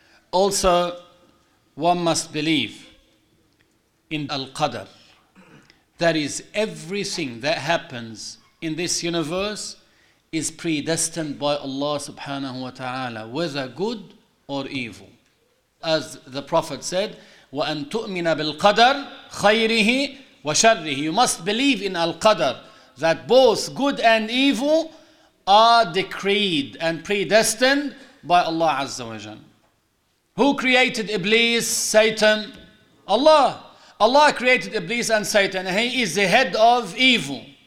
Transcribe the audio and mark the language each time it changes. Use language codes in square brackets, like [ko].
[en] Also, one must believe in Al-Qadr. That is, everything that happens in this universe is predestined by Allah subhanahu wa ta'ala, whether good or evil. As the Prophet said, [ar] وَأَن تُؤْمِنَ بِالْقَدَرْ خَيْرِهِ وَشَرِّهِ. [en] You must believe in Al-Qadr, that both good and evil are decreed and predestined by Allah Azza wa Jal. Who created Iblis, Satan? Allah. Allah created Iblis and Satan. He is the head of evil.